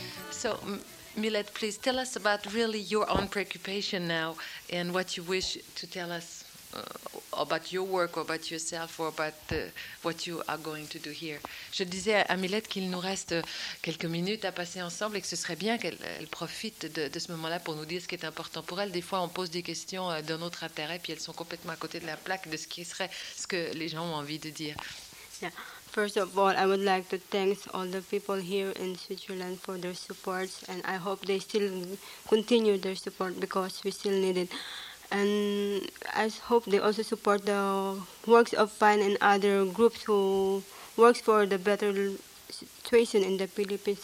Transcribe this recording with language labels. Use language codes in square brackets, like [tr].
[en] So, Milet, please tell us about really your own preoccupation now and what you wish to tell us about your work or about yourself or about what you are going to do here. [fr] Je disais à Milet qu'il nous reste quelques minutes à passer ensemble et que ce serait bien qu'elle profite de ce moment-là pour nous dire ce qui est important pour elle. Des fois, on pose des questions d'un autre intérêt puis elles sont complètement à côté de la plaque de ce qui serait ce que les gens ont envie de dire. [en] Yeah. First of all, I would like to thank all the people here in Switzerland for their support, and I hope they still continue their support because we still need it. And I hope they also support the works of FINE and other groups who works for the better situation in the Philippines.